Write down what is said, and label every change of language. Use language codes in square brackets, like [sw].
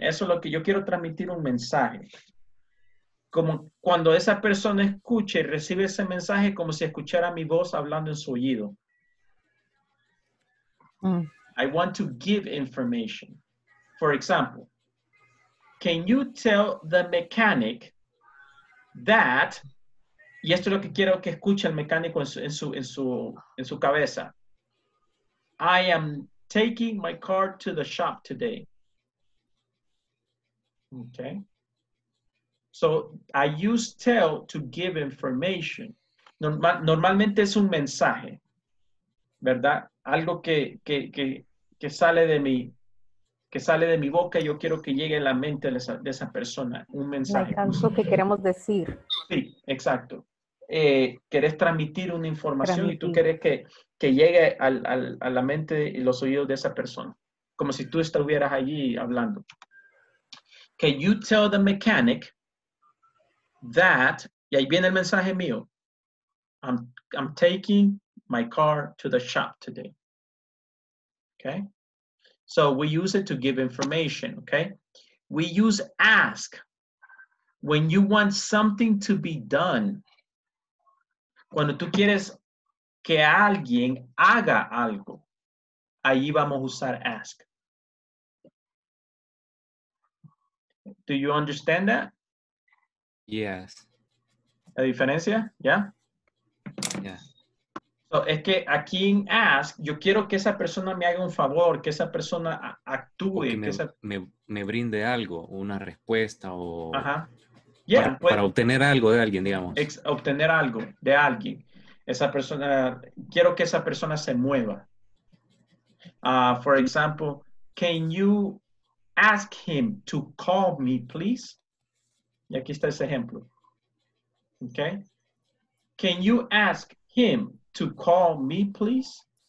[es] Eso es lo que yo quiero transmitir, un mensaje. Como cuando esa persona escucha y recibe ese mensaje, como si escuchara mi voz hablando en su oído. [en] I want to give information. For example, can you tell the mechanic that... [es] Y esto es lo que quiero que escuche el mecánico en su cabeza. [en] I am taking my car to the shop today. Okay. So I use tell to give information. [es] Normalmente es un mensaje, ¿verdad? Algo que sale de mi boca y yo quiero que llegue a la mente de esa persona. Un mensaje. Algo que queremos decir. Sí, exacto. Querés transmitir una información y tú querés que llegue a la mente y los oídos de esa persona, como si tú estuvieras allí hablando. [en] Can you tell the mechanic that, [es] y ahí viene el mensaje mío, [en] I'm taking my car to the shop today. Okay, so we use it to give information. Okay, we use ask when you want something to be done. [es] Cuando tú quieres que alguien haga algo, ahí vamos a usar ask. [en] Do you understand that? Yes. [es] ¿La diferencia? ¿Yeah? [en] Yeah. [es] So, es que aquí en ask, yo quiero que esa persona me haga un favor, que esa persona actúe. Que me brinde algo, una respuesta o... Ajá. Yeah, para obtener algo de alguien, digamos. Obtener algo de alguien. Esa persona, quiero que esa persona se mueva. [en] For example, can you ask him to call me, please? [es] Y aquí está ese ejemplo. [en] Okay. Can you ask him to call me, please?